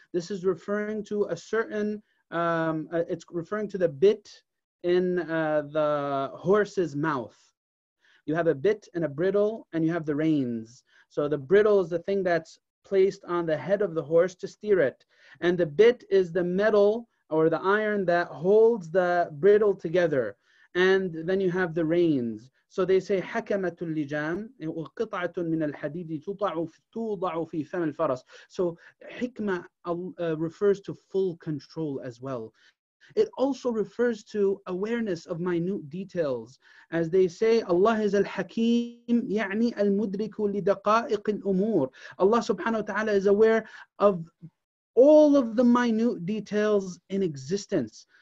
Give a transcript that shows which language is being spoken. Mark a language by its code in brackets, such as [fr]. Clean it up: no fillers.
[en] This is referring to a certain, it's referring to the bit in the horse's mouth. You have a bit and a bridle and you have the reins. So the bridle is the thing that's placed on the head of the horse to steer it. And the bit is the metal or the iron that holds the bridle together. And then you have the reins. [ar] So they say, حَكَمَةُ اللِّجَامِ وَقِطَعَةٌ مِنَ الْحَدِيدِ تُوضَعُ فِي فَمِ الْفَرَسِ. [en] So hikmah refers to full control as well. It also refers to awareness of minute details. As they say, Allah is al-hakim, [ar] يعني المدرك لدقائق الأمور. [en] Allah subhanahu wa ta'ala is aware of all of the minute details in existence.